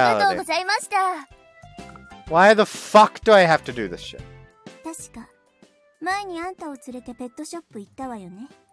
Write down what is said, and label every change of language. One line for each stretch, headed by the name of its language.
Japanese: ありがとうございました。
English: Why the fuck do I have to do this shit?
Japanese: 確か、前にあんたを連れてペットショップ行ったわよね。